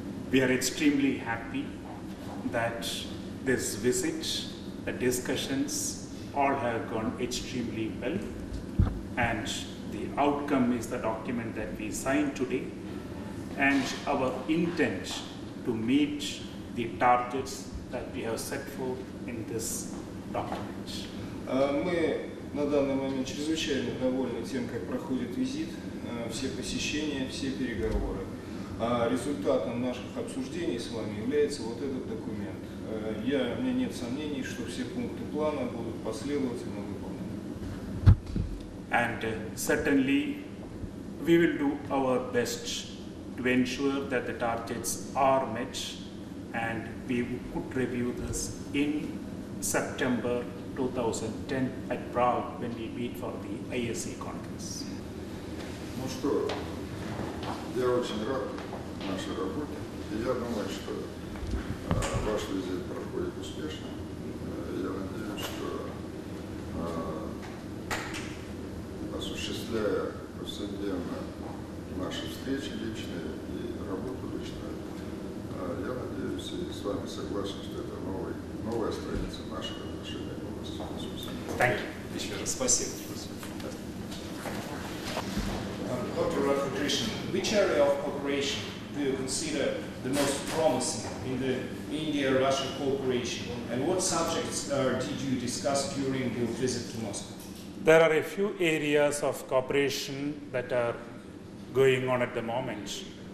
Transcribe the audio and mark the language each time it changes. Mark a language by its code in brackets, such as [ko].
[en] We are extremely happy that this visit, the discussions, all have gone extremely well, and the outcome is the document that we signed today, and our intent to meet the targets that we have set for in this document. [ru] Мы на данный момент чрезвычайно довольны тем, как проходит визит, все посещения, все переговоры. Результатом наших обсуждений с вами является вот этот документ. У меня нет сомнений, что все пункты плана будут последовательно выполнены. [en] And certainly we will do our best to ensure that the targets are met. And we could review this in September 2010 at Prague when we meet for the ISA conference. [ru] Ну что, я очень рад нашей работе. Я думаю, что ваш визит проходит успешно. Я надеюсь, что осуществляя повседневно наши встречи личные и работу личную. Я надеюсь, и с вами согласен, что это новая страница наших отношений в области космоса. Еще раз спасибо. [en] Доктор Радхакришнан, which area of cooperation do you consider the most promising in the India-Russia cooperation, and what subjects did you discuss during your visit to Moscow? There are a few areas of cooperation that are going on at the moment.